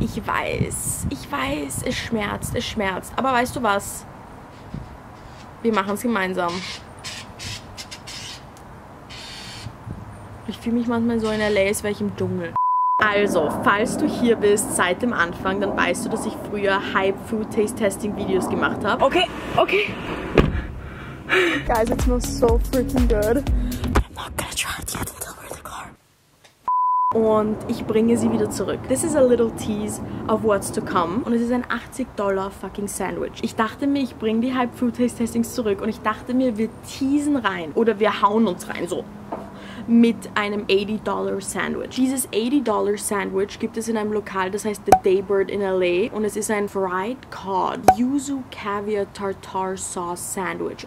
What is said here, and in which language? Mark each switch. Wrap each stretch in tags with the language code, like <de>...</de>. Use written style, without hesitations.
<de>Ich weiß, es schmerzt, aber weißt du was? Wir machen es gemeinsam. Ich fühle mich manchmal so in L.A., als wäre ich im Dschungel. Also, falls du hier bist seit dem Anfang, dann weißt du, dass ich früher Hype-Food-Taste-Testing-Videos gemacht habe. Okay, okay.</de> <en>Guys, it smells so freaking good. I'm not gonna try it yet until we're in the car.</en> <de>Und ich bringe sie wieder zurück.</de> <en>This is a little tease of what's to come.</en> <de>Und es ist ein $80 fucking Sandwich. Ich dachte mir, ich bringe die Hype Food Taste Testings zurück. Und ich dachte mir, wir teasen rein. Oder wir hauen uns rein, so. Mit einem $80 Sandwich. Dieses $80 Sandwich gibt es in einem Lokal, das heißt The Daybird in L.A. Und es ist ein Fried Cod Yuzu Caviar Tartar Sauce Sandwich.</de>